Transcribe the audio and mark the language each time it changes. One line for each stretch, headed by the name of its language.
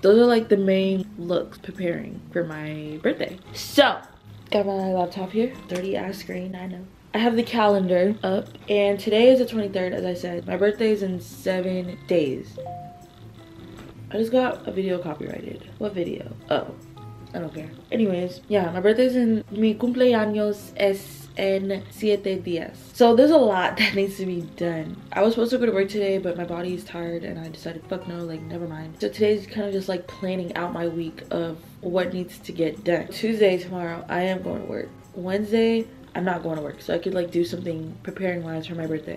English: Those are like the main looks preparing for my birthday. So got my laptop here, dirty ass screen. I know I have the calendar up, and today is the 23rd. As I said, my birthday is in 7 days. I just got a video copyrighted. What video? Oh, I don't care. Anyways, yeah, my birthday is in,
Spanish: mi cumpleaños es en 7 días.
English: So there's a lot that needs to be done. I was supposed to go to work today, but my body is tired and I decided, fuck no, like, never mind. So today's kind of just like planning out my week of what needs to get done. Tuesday, tomorrow, I am going to work. Wednesday, I'm not going to work, so I could like do something preparing wise for my birthday.